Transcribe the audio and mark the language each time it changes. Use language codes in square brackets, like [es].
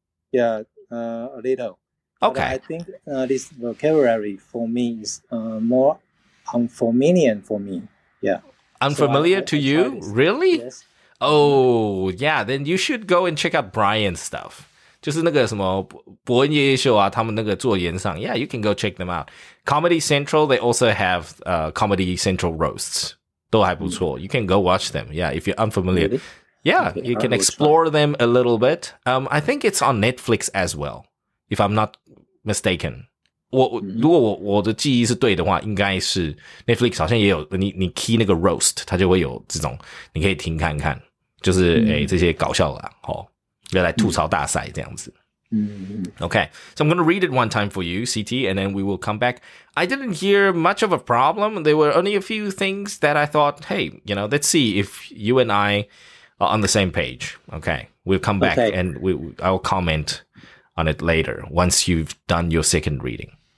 [en] Yeah, a little. Okay.、 But、I think、this vocabulary for me is more unfamiliar for me. Yeah. Unfamiliar、so、to you? Really? Yes. Oh, yeah. Then you should go and check out Brian's stuff. [zh] 就是那个什么伯恩夜夜秀啊，他们那个做演唱。 [en] Yeah, you can go check them out. Comedy Central, they also have Comedy Central roasts. [zh] 都还不错、 [en] mm-hmm. You can go watch them. Yeah, if you're unfamiliar.、 Really? Yeah, you can explore them a little bit. I think it's on Netflix as well, if I'm not mistaken. [zh] 如果我的记忆是对的话，应该是 Netflix 好像也有你 key 那个 roast， 它就会有这种，你可以听看看，就是、mm-hmm. 欸、这些搞笑啦，齁，要来吐槽大赛这样子。 Mm-hmm. [en] Okay, so I'm going to read it one time for you, CT, and then we will come back. I didn't hear much of a problem. There were only a few things that I thought, hey, you know, let's see if you and I... on the same page. Okay. We'll come back、 okay. and I'll comment on it later once you've done your second reading.、